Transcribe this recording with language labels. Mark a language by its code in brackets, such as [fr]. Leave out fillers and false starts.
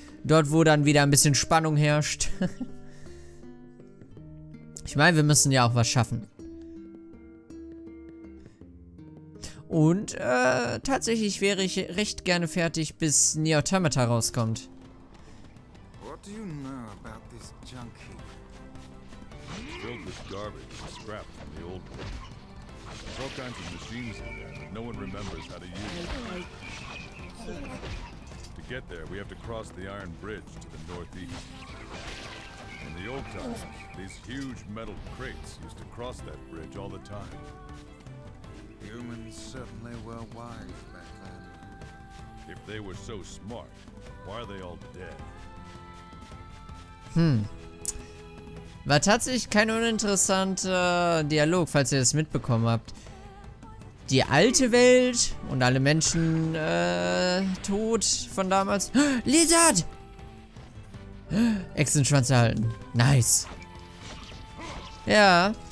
[de] Dort, wo dann wieder ein bisschen Spannung herrscht. Ich meine, wir müssen ja auch was schaffen. Und, tatsächlich wäre ich recht gerne fertig, bis Nier Automata rauskommt. [en] What do you know about this junkie? It's filled with garbage and scrap from the old one. There's all kinds of machines in there, but no one remembers how to use them. To get there, we have to cross the Iron Bridge to the northeast. In the old times, these huge metal crates used to cross that bridge all the time. Humans certainly were wise back then. If they were so smart, why are they all dead? [de] War tatsächlich kein uninteressanter Dialog, falls ihr das mitbekommen habt. Die alte Welt und alle Menschen tot von damals. Lizard! Echsenschwanz erhalten. Nice. Ja.